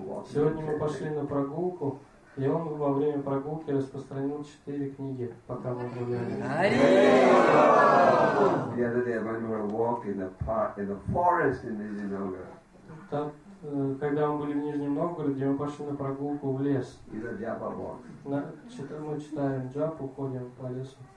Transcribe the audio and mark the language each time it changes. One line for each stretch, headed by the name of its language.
Russian: Сегодня мы пошли на прогулку. И он во время прогулки распространил 4 книги, пока мы гуляли.
English: The other day I went for a walk in the park, in the forest in Nizhny Novgorod.
Russian: Так когда мы были в Нижнем Новгороде, мы пошли на прогулку в лес. Мы читаем джапу, ходим по лесу.